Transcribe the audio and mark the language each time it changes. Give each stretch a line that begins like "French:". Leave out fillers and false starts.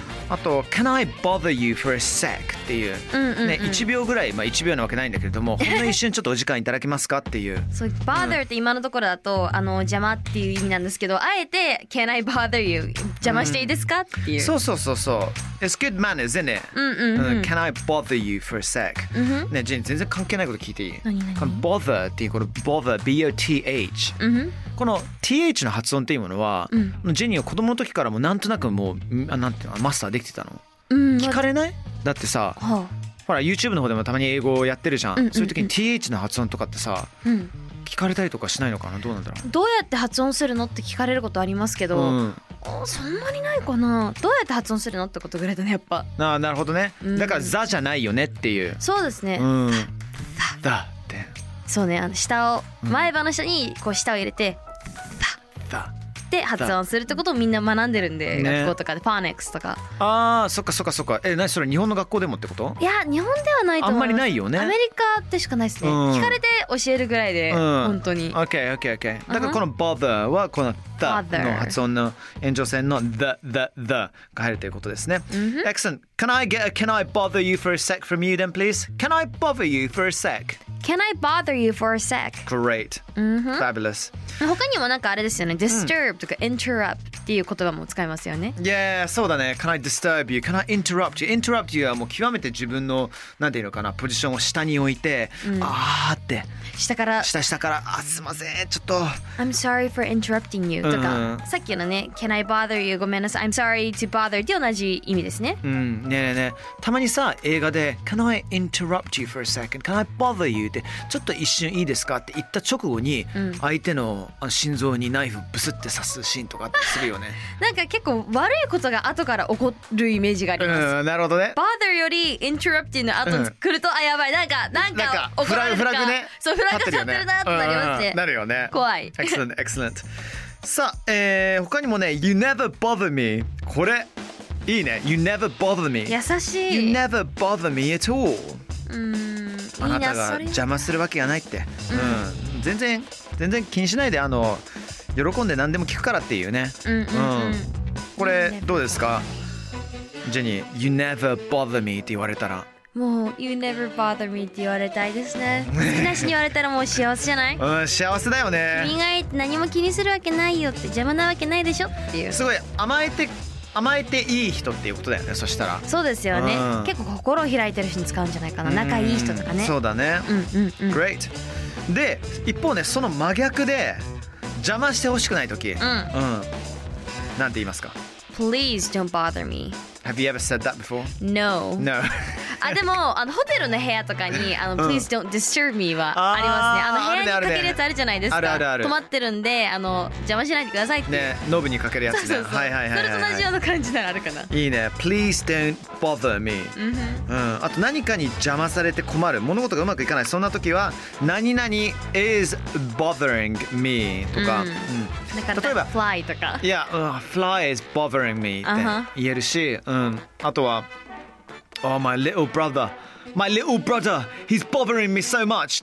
Japanese: あと
English: Can I bother you for a sec?
Japanese: っていう、ね、1秒ぐらい、まあ、1秒なわけないんだけれども、ほんの一瞬ちょっとお時間いただけますかっていう。そう、bother って今のところだと、あの邪魔っていう意味なんですけど、あえて
English: Can I bother you?
Japanese: 邪魔していいですかっていう。そうそうそうそう。
English: It's good manners, isn't it?
Japanese: うんうん、
English: Can I bother you for a sec?
Japanese: ね、ジェニー全然関係ないこと聞いていい？何何？ bother っていうこの bother, B-O-T-H。この TH の発音っていうものは、ジェニーは子供の時からもなんとなくもう、あ、なんていうの、マスターできてたの。聞かれない？だってさ、ほら YouTube の方でもたまに英語をやってるじゃん。そういう時に TH の発音とかってさ、聞かれたりとかしないのかな、どうなんだろう。どうやって発音するのって聞かれることありますけど、そんなにないかな。どうやって発音するのってことぐらいだね、やっぱ。あ、なるほどね。だからザじゃないよねっていう。そうですね。ザ、ザ、ザって。そうね、あの舌を、前歯の下にこう舌を入れて、ザ、ザ。で発音するってことをみんな学んでるんで、ね、学校とかでファーネックスとか。あー、そっかそっかそっか。え、何それ、日本の学校でもってこと？いや、日本ではないと思う。あんまりないよね。アメリカってしかないですね、聞かれて教えるぐらいで、本当に。 OK OK OK、 だからこの bother はこの the の発音の延長線の the the the が入るということですね。
English: Excellent. Can I get a can I bother you for a sec from you then please? Can I bother you for a sec? Can I bother you for a sec? Great.、Fabulous.
Japanese: 他にもなんかあれですよね。Disturb とか interrupt っていう言葉も使いますよね。
English: Yeah,
Japanese: そうだね。
English: Can I disturb you? Can I interrupt you?
Japanese: Interrupt you はもう極めて自分の、なんていうのかな、ポジションを下に置いて、あーって。下から。下下から、あ、すいません、ちょっと。
English: I'm sorry for interrupting you とか。
Japanese: さっきのね、
English: Can I bother you?
Japanese: ごめんなさい。
English: I'm sorry to bother
Japanese: って同じ意味ですね。ねえねえねえ。たまにさ、映画で、
English: Can I interrupt you for a second? Can I bother you?
Japanese: ちょっと一瞬いいですかって言った直後に相手の心臓にナイフブスって刺すシーンとかするよね。なんか結構悪いことが後から起こるイメージがあります。なるほどね。 Bother より Interrupting の後に来ると、やばい、なんか怒られるか、フラグね、そう、フラグ立ってるなってなりますね。なるよね。怖い。
English: Excellent, excellent.
Japanese: さあ、他にもね、
English: You never bother me、
Japanese: これいいね。
English: You never bother me、
Japanese: 優しい。
English: You never bother me at all、
Japanese: あなたが邪魔するわけがないって、全然全然気にしないで、あの、喜んで何でも聞くからっていうね。これどうですか、ジェニー。
English: You never bother me
Japanese: って言われたら、もう
English: You never bother me
Japanese: って言われたいですね。好きな人に言われたらもう幸せじゃない？幸せだよね。君がいて何も気にするわけないよって、邪魔なわけないでしょっていう。すごい甘えて甘えていい人っていうことだよね。そしたら、そうですよね、結構心を開いてる人に使うんじゃないかな、仲いい人とかね。そうだね。Great。で一方ね、その真逆で邪魔してほしくないとき、なんて言いますか。
English: Please don't bother me。 Have you ever said that before? No, no.
Japanese: あ、でもあのホテルの部屋とかに、あの、
English: Please don't disturb me
Japanese: はありますね。あの部屋にかけるやつあるじゃないですか。あるあるある。泊まってるんで、あの、邪魔しないでくださいって。ね、ノブにかけるやつね。そうそうそう。はいはいはい、はい。それと同じような感じならあるかな。いいね。
English: Please don't bother me。
Japanese: あと何かに邪魔されて困る、物事がうまくいかない、そんな時は、何々
English: is bothering me
Japanese: とか。例えば、fly とか。
English: いや、fly is bothering me って言えるし、あとは、Oh, my little brother. My little brother. He's bothering me so much.